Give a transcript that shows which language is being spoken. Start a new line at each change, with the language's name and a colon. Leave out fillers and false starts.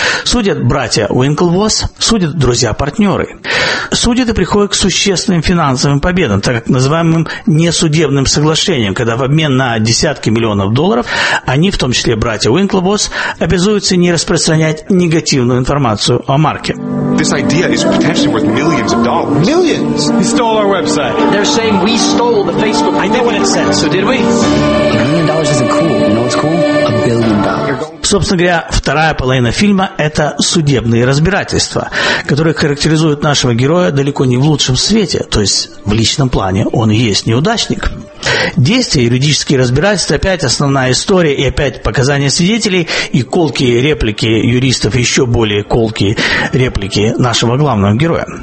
Russian: Судят братья Уинклвосс, судят друзья-партнеры. Судят и приходят к существенным финансовым победам, так как называемым несудебным соглашением, когда в обмен на десятки миллионов долларов они, в том числе братья Уинклвосс, обязуются не распространять негативную информацию о марке.
English: This idea is potentially worth millions of dollars. Millions? He stole our website. They're saying we stole the Facebook. I know what it said, so did we? $1 million isn't cool. You know what's cool? $1 billion.
Russian: Собственно говоря, вторая половина фильма – это судебные разбирательства, которые характеризуют нашего героя далеко не в лучшем свете, то есть в личном плане он и есть неудачник. Действия, юридические разбирательства – опять основная история и опять показания свидетелей и колкие реплики юристов, еще более колкие реплики нашего главного героя.